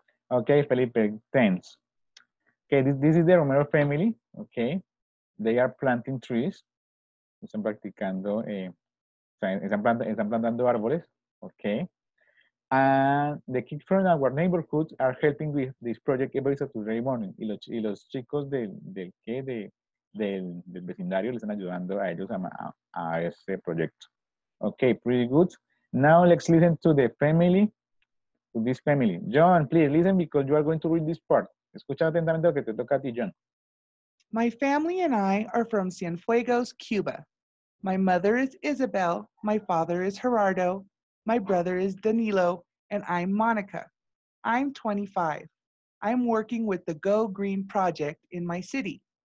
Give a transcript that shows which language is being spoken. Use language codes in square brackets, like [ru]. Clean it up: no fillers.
[en] Okay, Felipe, thanks. Okay, this is the Romero family. Okay. They are planting trees. [es] Están practicando, están plantando árboles, okay. [en] And the kids from our neighborhood are helping with this project every Saturday morning. [es] Y los chicos del vecindario les están ayudando a ellos a este proyecto. [en] Okay, pretty good. Now let's listen to the family, to this family. John, please listen because you are going to read this part. [es] Escucha atentamente lo que te toca a ti, John. [en] My family and I are from Cienfuegos, Cuba. My mother is Isabel, my father is Gerardo, my brother is Danilo, and I'm Monica. I'm 25. I'm working with the Go Green Project in my city.